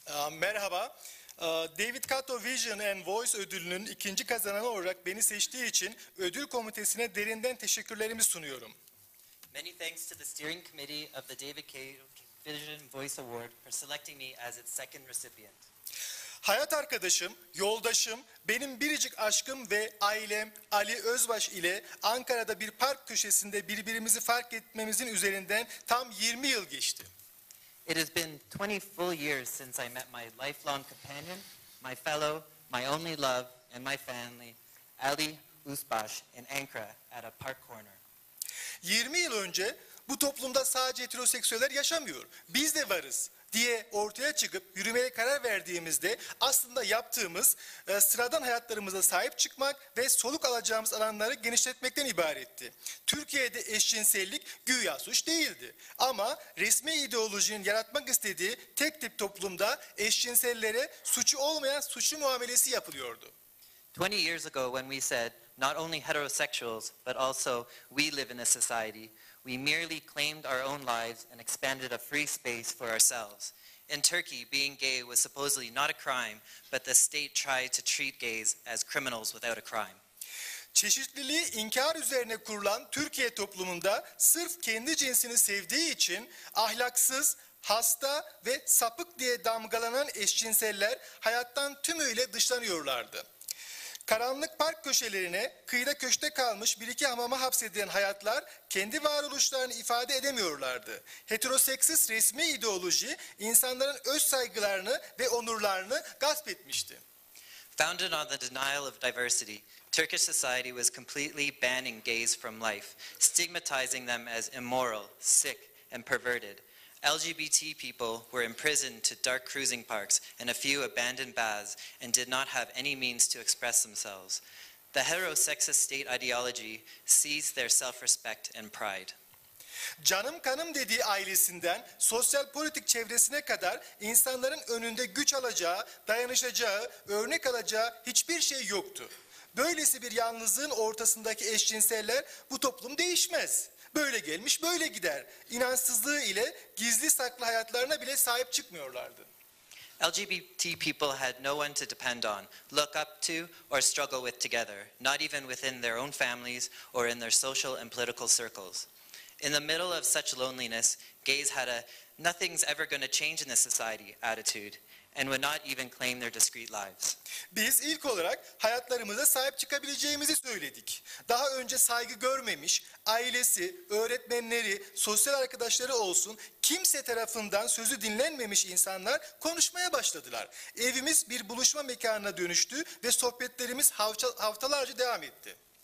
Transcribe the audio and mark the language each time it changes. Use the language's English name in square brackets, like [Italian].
[Turkish] Merhaba. David Kato Vision and Voice ödülünün ikinci kazananı olarak beni seçtiği için ödül komitesine derinden teşekkürlerimi sunuyorum. [English] Many thanks to the steering committee of the David Kato Vision Voice Award for selecting me as its second recipient. [Turkish] Hayat arkadaşım, yoldaşım, benim biricik aşkım ve ailem Ali Özbaş ile Ankara'da bir park köşesinde birbirimizi fark etmemizin üzerinden tam 20 yıl geçti. [English] It has been 20 full years since I met my lifelong companion, my fellow, my only love, and my family, Ali Uspash, in Ankara at a park corner. [Turkish] 20 yıl önce bu toplumda sadece heteroseksüeller yaşamıyor, biz de varız diye ortaya çıkıp yürümeye karar verdiğimizde aslında yaptığımız sıradan hayatlarımıza sahip çıkmak ve soluk alacağımız alanları genişletmekten ibaretti. Türkiye'de eşcinsellik güya suç değildi. Ama resmi ideolojinin yaratmak istediği tek tip toplumda eşcinsellere suçu olmayan suçlu muamelesi yapılıyordu. [English] 20 years ago when we said not only heterosexuals but also we live in a society, we merely claimed our own lives and expanded a free space for ourselves. In Turkey, being gay was supposedly not a crime, but the state tried to treat gays as criminals without a crime. [Turkish] Çeşitliliği inkar üzerine kurulan Türkiye toplumunda sırf kendi cinsini sevdiği için ahlaksız, hasta ve sapık diye damgalanan eşcinseller hayattan tümüyle dışlanıyorlardı. Karanlık park köşelerine, kıyıda köşte kalmış bir iki hamama hapsedilen hayatlar kendi varoluşlarını ifade edemiyorlardı. Heteroseksist resmi ideoloji insanların öz saygılarını ve onurlarını gasp etmişti. [English] Founded on the denial of diversity, Turkish society was completely banning gays from life, stigmatizing them as immoral, sick and perverted. LGBT people were imprisoned to dark cruising parks and a few abandoned baths and did not have any means to express themselves. The heterosexist state ideology seized their self-respect and pride. [Turkish] Canım kanım dediği ailesinden sosyal politik çevresine kadar insanların önünde güç alacağı, dayanışacağı, örnek alacağı hiçbir şey yoktu. Böylesi bir yalnızlığın ortasındaki eşcinseller bu toplum değişmez. Böyle gelmiş, böyle gider. İnançsızlığı ile gizli saklı hayatlarına bile sahip çıkmıyorlardı. [English] LGBT people had no one to depend on, look up to, or struggle with together, not even within their own families or in their social and political circles. In the middle of such loneliness, gays had a nothing's ever going to change in this society attitude and would not even claim their discreet lives. [Turkish] Biz ilk olarak hayatlarımıza sahip çıkabileceğimizi söyledik. Daha önce saygı görmemiş, ailesi, öğretmenleri, sosyal arkadaşları olsun, kimse tarafından sözü dinlenmemiş insanlar konuşmaya başladılar. Evimiz bir buluşma mekanına dönüştü ve sohbetlerimiz haftalarca devam etti.